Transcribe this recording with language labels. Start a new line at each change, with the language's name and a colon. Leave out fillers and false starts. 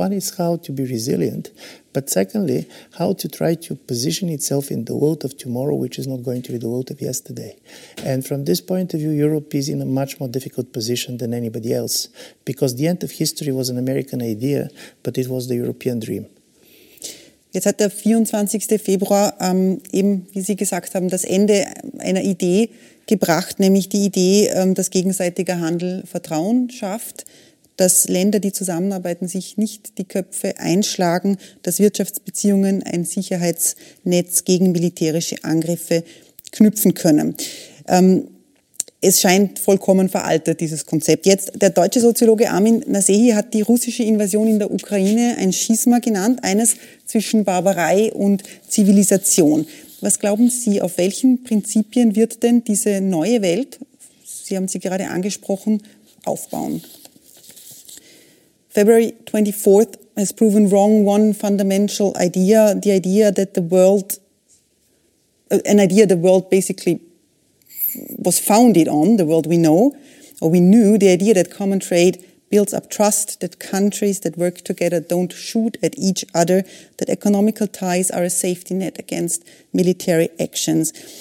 English: One is how to be resilient, but secondly, how to try to position itself in the world of tomorrow, which is not going to be the world of yesterday. And from this point of view, Europe is in a much more difficult position than anybody else, because the end of history was an American idea, but it was the European dream.
German: Jetzt hat der 24. Februar eben, wie Sie gesagt haben, das Ende einer Idee gebracht, nämlich die Idee, dass gegenseitiger Handel Vertrauen schafft, dass Länder, die zusammenarbeiten, sich nicht die Köpfe einschlagen, dass Wirtschaftsbeziehungen ein Sicherheitsnetz gegen militärische Angriffe knüpfen können. Es scheint vollkommen veraltet, dieses Konzept. Jetzt, der deutsche Soziologe Armin Nasehi hat die russische Invasion in der Ukraine ein Schisma genannt, eines zwischen Barbarei und Zivilisation. Was glauben Sie, auf welchen Prinzipien wird denn diese neue Welt, Sie haben sie gerade angesprochen, aufbauen.
English: February 24th has proven wrong one fundamental idea, the idea that the world, an idea the world basically was founded on, the world we know, or we knew, the idea that common trade builds up trust, that countries that work together don't shoot at each other, that economical ties are a safety net against military actions.